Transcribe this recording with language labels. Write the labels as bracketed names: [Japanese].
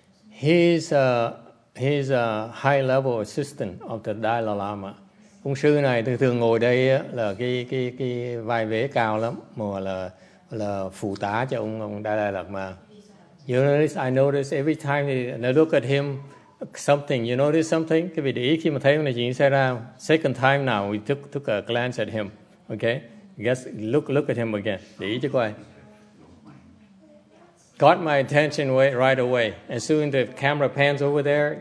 [English] He's a high level assistant of the Dalai Lama. [Vietnamese] Ông sư này thường ngồi đây là cái vai vế cao lắm, mà là phụ tá cho ông Dalai Lama. [English] You notice, I notice every time I look at him, something, you notice something? [Vietnamese] Cái vị để ý khi mà thấy ông này chuyện xảy ra, [English] second time now we took a glance at him, okay? Guess, look at him again, [Vietnamese] để ý cho coi. [English] got my attention right away. And soon the camera pans over there.